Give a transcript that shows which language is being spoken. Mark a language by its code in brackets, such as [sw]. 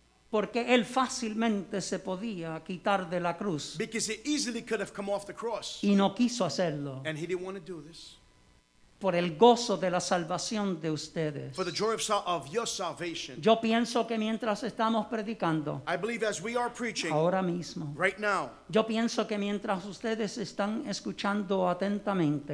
[es] Porque él fácilmente se podía quitar de la cruz. [en] Because he easily could have come off the cross. [es] Y no quiso hacerlo. [en] And he didn't want to do this. [es] Por el gozo de la salvación de ustedes. [en] For the joy of your salvation. [es] Yo pienso que mientras estamos predicando. [en] I believe as we are preaching. [es] Ahora mismo. [en] Right now. [es] Yo pienso que mientras ustedes están escuchando atentamente.